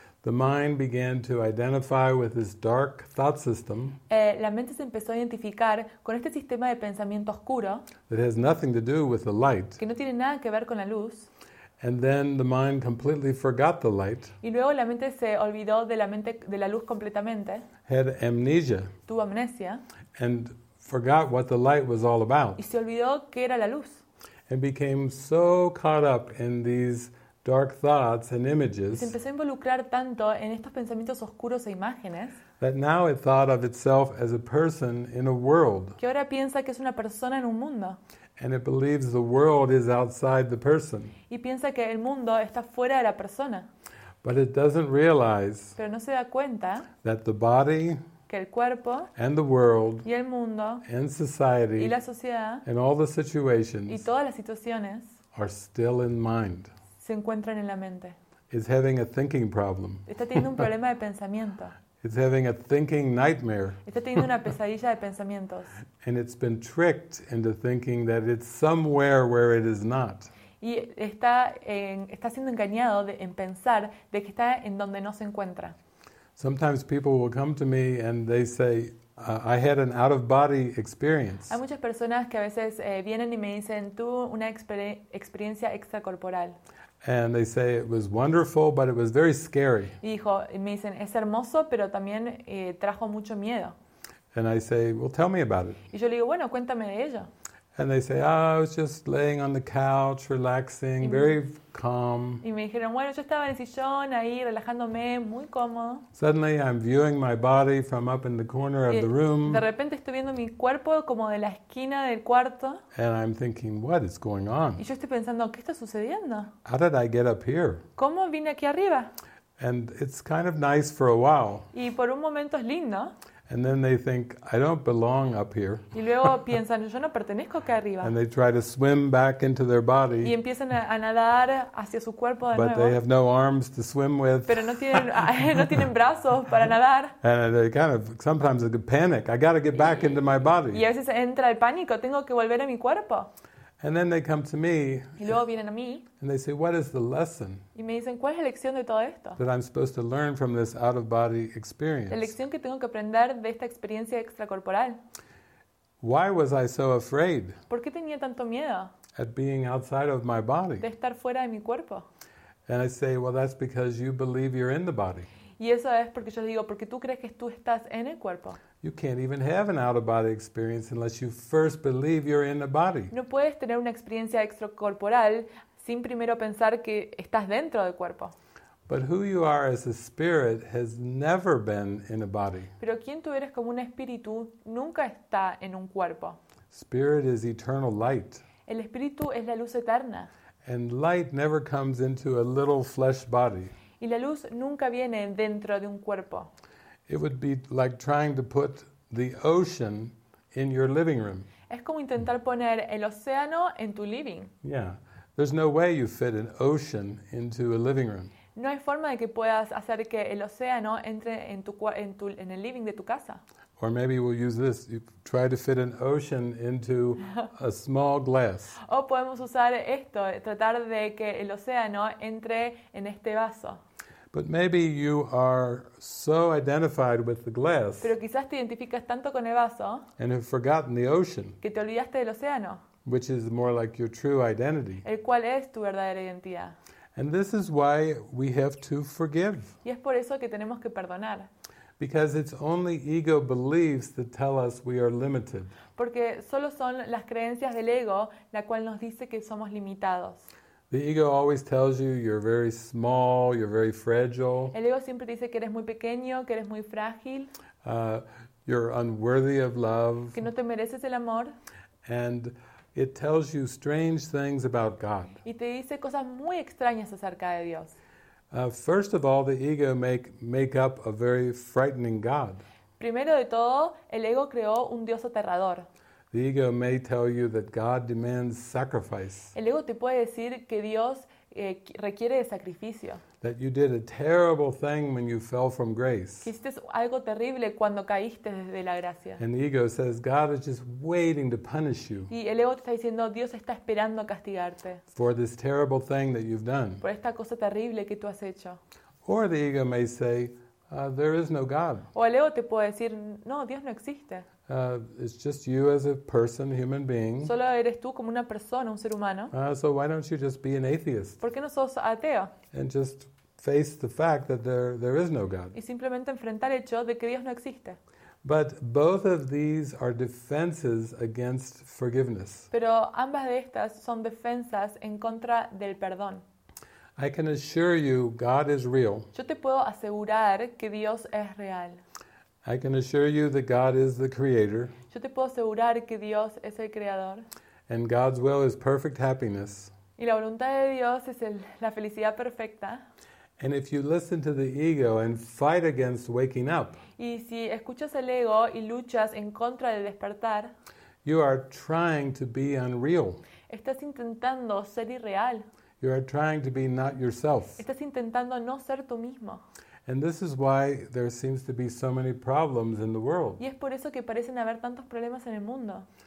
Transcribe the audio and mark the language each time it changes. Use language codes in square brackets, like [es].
[en] The mind began to identify with this dark thought system. [es] La mente se empezó a identificar con este sistema de pensamiento oscuro. [en] That has nothing to do with the light. [es] Que no tiene nada que ver con la luz. [en] And then the mind completely forgot the light. [es] Y luego la mente se olvidó de la luz completamente. [en] Had amnesia. [es] Tuvo amnesia. [en] And forgot what the light was all about. [es] Y se olvidó qué era la luz. [en] And became so caught up in these dark thoughts and images. [es] Se empezó a involucrar tanto en estos pensamientos oscuros e imágenes. [en] That now it thought of itself as a person in a world. [es] Que ahora piensa que es una persona en un mundo. [en] And it believes the world is outside the person. [es] Y piensa que el mundo está fuera de la persona. [en] But it doesn't realize [es] pero no se da cuenta [en] that the body [es] que el cuerpo [en] and the world [es] y el mundo [en] and society [es] y la sociedad [en] and all the situations [es] y todas las situaciones [en] are still in mind. [es] Se encuentran en la mente. [en] It's having a thinking problem. [es] Está teniendo un problema de pensamiento. [en] It's having a thinking nightmare. [es] Está teniendo una pesadilla de pensamientos. [en] And it's been tricked into thinking that it's somewhere where it is not. [es] Y está está siendo engañado en pensar de que está en donde no se encuentra. [en] Sometimes people will come to me and they say, I had an out of body experience. [es] Hay muchas personas que a veces vienen y me dicen, tuve una experiencia extracorporal. [en] And they say it was wonderful, but it was very scary. [es] Dijo, me dicen, es hermoso, pero también trajo mucho miedo. [en] And I say, well, tell me about it. [es] Y yo le digo, bueno, cuéntame de ello. [en] And they say, oh, I was just laying on the couch, relaxing, very calm. [es] Y me dijeron, bueno, yo estaba en el sillón ahí, relajándome, muy cómodo. [en] Suddenly, I'm viewing my body from up in the corner of the room. [es] De repente, estoy viendo mi cuerpo como de la esquina del cuarto. [en] And I'm thinking, what is going on? [es] Y yo estoy pensando, ¿qué está sucediendo? [en] How did I get up here? [es] ¿Cómo vine aquí arriba? [en] And it's kind of nice for a while. [es] Y por un momento es lindo. [en] And then they think, I don't belong up here. [es] Y luego piensan, yo no pertenezco acá arriba. [en] And they try to swim back into their body. [es] Y empiezan a nadar hacia su cuerpo de [en] but [es] nuevo. [en] But they have no arms to swim with. [es] Pero no tienen brazos para nadar. [en] And they kind of, sometimes they panic. I got to get back into my body. [es] Y a veces entra el pánico. Tengo que volver a mi cuerpo. [en] And then they come to me. [es] Y luego vienen a mí. [en] And they say, what is the lesson? [es] Y me dicen, ¿cuál es la lección de todo esto? [en] That I'm supposed to learn from this out-of-body experience. [es] La lección que tengo que aprender de esta experiencia extracorporal. [en] Why was I so afraid? [es] ¿Por qué tenía tanto miedo? [en] At being outside of my body. [es] De estar fuera de mi cuerpo. [en] And I say, well, that's because you believe you're in the body. [es] Y eso es porque yo les digo, porque tú crees que tú estás en el cuerpo. [en] You can't even have an out-of-body experience unless you first believe you're in the body. [es] No puedes tener una experiencia extracorporal sin primero pensar que estás dentro del cuerpo. [en] But who you are as a spirit has never been in a body. [es] Pero quién tú eres como un espíritu nunca está en un cuerpo. [en] Spirit is eternal light. [es] El espíritu es la luz eterna. [en] And light never comes into a little flesh body. [es] Y la luz nunca viene dentro de un cuerpo. [en] It would be like trying to put the ocean in your living room. [es] Es como intentar poner el océano en tu living. [en] Yeah. There's no way you fit an ocean into a living room. [es] No hay forma de que puedas hacer que el océano entre en el living de tu casa. [en] Or maybe we'll use this. You try to fit an ocean into a small glass. [es] O podemos usar esto, tratar de que el océano entre en este vaso. [en] But maybe you are so identified with the glass. [es] Pero quizás te identificas tanto con el vaso. [en] And have forgotten the ocean. [es] Que te olvidaste del océano. [en] Which is more like your true identity. [es] El cual es tu verdadera identidad. [en] And this is why we have to forgive. [es] Y es por eso que tenemos que perdonar. [en] Because it's only ego beliefs that tell us we are limited. [es] Porque solo son las creencias del ego la cual nos dice que somos limitados. [en] The ego always tells you you're very small, you're very fragile. [es] El ego siempre dice que eres muy pequeño, que eres muy frágil. [en] You're unworthy of love. [es] Que no te mereces el amor. [en] And it tells you strange things about God. [es] Y te dice cosas muy extrañas acerca de Dios. [en] First of all, the ego make up a very frightening God. [es] Primero de todo, el ego creó un Dios aterrador. [en] The ego may tell you that God demands sacrifice. [es] El ego te puede decir que Dios requiere de sacrificio. [en] That you did a terrible thing when you fell from grace. [es] Que hiciste algo terrible cuando caíste desde la gracia. [en] And the ego says God is just waiting to punish you. [es] Y el ego te está diciendo Dios está esperando a castigarte. [en] For this terrible thing that you've done. [es] Por esta cosa terrible que tú has hecho. [en] Or the ego may say there is no God. [es] O el ego te puede decir no, Dios no existe. [en] It's just you as a person, human being. [es] Solo eres tú como una persona, un ser humano. [en] So why don't you just be an atheist? [es] ¿Por qué no sos ateo? [en] And just face the fact that there is no God. [es] Y simplemente enfrentar el hecho de que Dios no existe. [en] But both of these are defenses against forgiveness. [es] Pero ambas de estas son defensas en contra del perdón. [en] I can assure you, God is real. [es] Yo te puedo asegurar que Dios es real. [en] I can assure you that God is the creator. [es] Yo te puedo asegurar que Dios es el creador. [en] And God's will is perfect happiness. [es] Y la voluntad de Dios es la felicidad perfecta. [en] And if you listen to the ego and fight against waking up, [es] y si escuchas el ego y luchas en contra de despertar, [en] you are trying to be unreal. [es] Estás intentando ser irreal. [en] You are trying to be not yourself. [es] Estás intentando no ser tú mismo. [en] And this is why there seems to be so many problems in the world. [es] Y es por eso que parecen haber tantos problemas en el mundo.